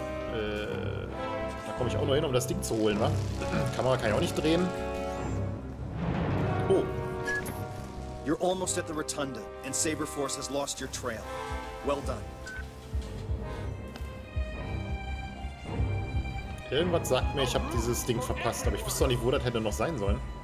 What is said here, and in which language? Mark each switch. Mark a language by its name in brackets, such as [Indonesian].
[German] Da komme ich auch nur hin, um das Ding zu holen, wa? Kamera kann ich auch nicht drehen. Oh. [English] You're almost at the Rotunda, and Saber Force has lost your trail. Well done. [German] Irgendwas sagt mir, ich habe dieses Ding verpasst, aber ich wüsste auch nicht, wo das hätte noch sein sollen.